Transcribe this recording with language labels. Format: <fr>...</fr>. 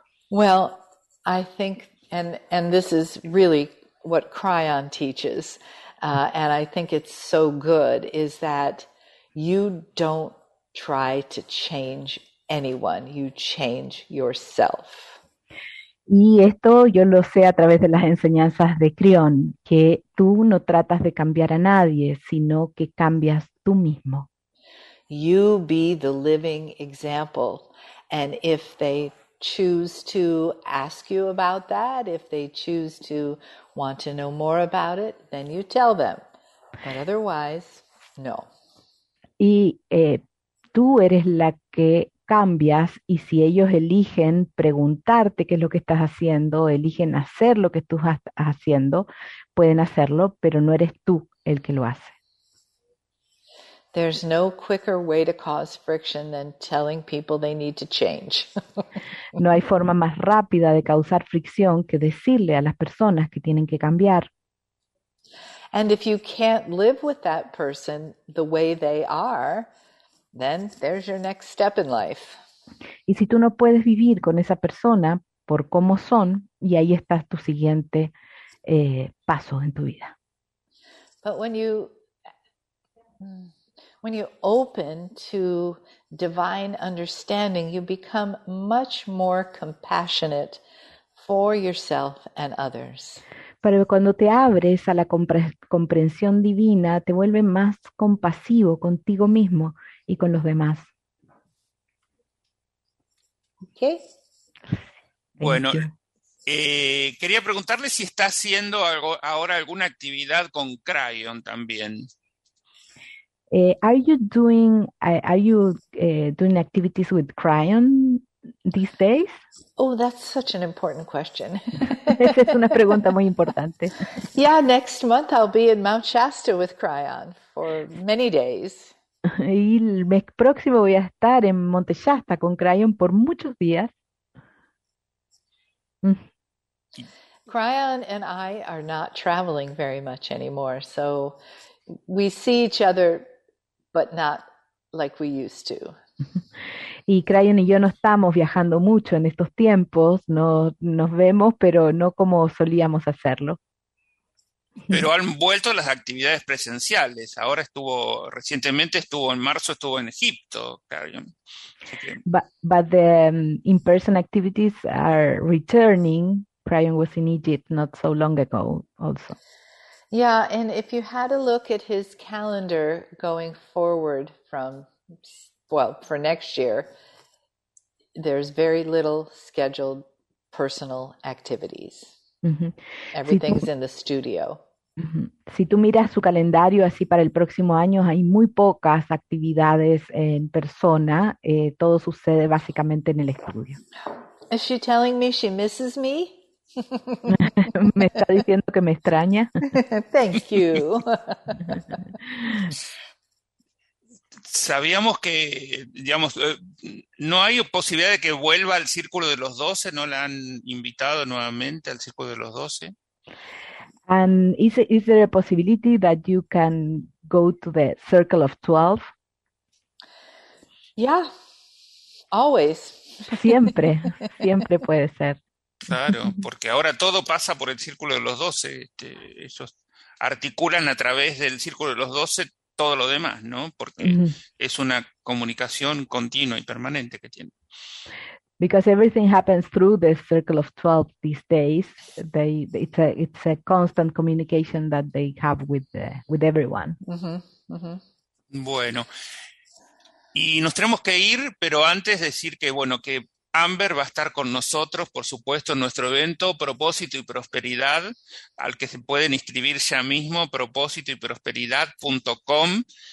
<en>Well, I think, and this is really what Kryon teaches, and I think it's so good, is that you don't try to change anyone, you change yourself.</en> <es>Y esto yo lo sé a través de las enseñanzas de Kryon, que tú no tratas de cambiar a nadie, sino que cambias tú mismo.</es> <en>You be the living example, and if they choose to ask you about that, if they choose to want to know more about it, then you tell them. But otherwise, no.</en> <es>Y tú eres la que cambias, y si ellos eligen preguntarte qué es lo que estás haciendo, eligen hacer lo que tú estás haciendo, pueden hacerlo, pero no eres tú el que lo hace.</es> <en>There's no quicker way to cause friction than telling people they need to change.</en> <es>No hay forma más rápida de causar fricción que decirle a las personas que tienen que cambiar.</es> <en>And if you can't live with that person the way they are, then there's your next step in life.</en> <es>Y si tú no puedes vivir con esa persona por cómo son, y ahí estás tu siguiente paso en tu vida.</es> <en>But when you open to divine understanding, you become much more compassionate for yourself and others.</en> <es>Pero cuando te abres a la comprensión divina, te vuelves más compasivo contigo mismo y con los demás.</es> <en>Okay.</en> <es>Bueno, quería preguntarle si está haciendo algo, ahora alguna actividad con Kryon también.</es> <en>Are you doing activities with Kryon these days? Oh, that's such an important question.</en> <es>Esa es una pregunta muy importante.</es> <en>Yeah, next month I'll be in Mount Shasta with Kryon for many days.</en> <es>Y el mes próximo voy a estar en Monte Shasta con Kryon por muchos días.</es> <en>Kryon and I are not traveling very much anymore, so we see each other, but not like we used to.</en> <es>Y Kryon y yo no estamos viajando mucho en estos tiempos, no nos vemos, pero no como solíamos hacerlo. Pero han vuelto las actividades presenciales. Ahora recientemente estuvo en marzo, estuvo en Egipto, Kryon.</es> <en>But the in-person activities are returning. Kryon was in Egypt not so long ago also. Yeah, and if you had a look at his calendar going forward for next year, there's very little scheduled personal activities. Mm-hmm. Everything's in the studio.</en> <es>Si tú miras su calendario así para el próximo año, hay muy pocas actividades en persona. Todo sucede básicamente en el estudio.</es> <en>Is she telling me she misses me?</en> <es>Me está diciendo que me extraña.</es> <en>Thank you.</en> <es>Sabíamos que, digamos, no hay posibilidad de que vuelva al Círculo de los Doce. ¿No la han invitado nuevamente al Círculo de los Doce?</es> <en>And is there a possibility that you can go to the Circle of 12? Yeah, always.</en> <es>Siempre, siempre puede ser. Claro, porque ahora todo pasa por el Círculo de los Doce. Ellos articulan a través del Círculo de los Doce todo lo demás, ¿no? Porque es una comunicación continua y permanente que tienen.</es> <en>Because everything happens through the Circle of 12 these days, it's a constant communication that they have with everyone. Mm-hmm.</en> <es>Mm-hmm. Bueno, y nos tenemos que ir, pero antes decir que Amber va a estar con nosotros, por supuesto, en nuestro evento Propósito y Prosperidad, al que se pueden inscribir ya mismo, propósitoyprosperidad.com.</es>